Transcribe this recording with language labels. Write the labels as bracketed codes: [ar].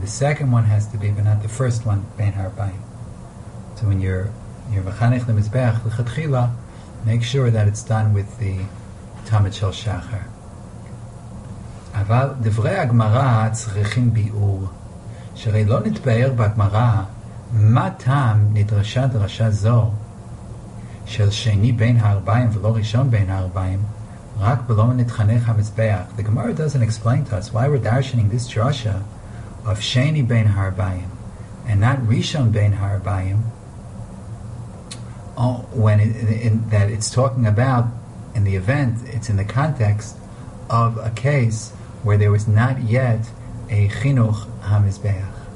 [en] The second one has to be, but not the first one bein harabayim. So when you're mechanech the mizbeach l'chatchila, make sure that it's done with the tamid shel shachar. [he] Aval divrei agmara tzrichim biur. שהרי לא נתבהר בגמרא מה טעם נדרשה דרשה זו של שני בין הארבעים ולא ראשון בין הארבעים רק בלא נתחנך המזבח. [en] The Gemara doesn't explain to us why we're darshaning this drasha of [he] שני בין הארבעים [en] and not [he] ראשון בין הארבעים, [en] when that it's talking about in the event, it's in the context of a case where there was not yet a chinuch המזבח.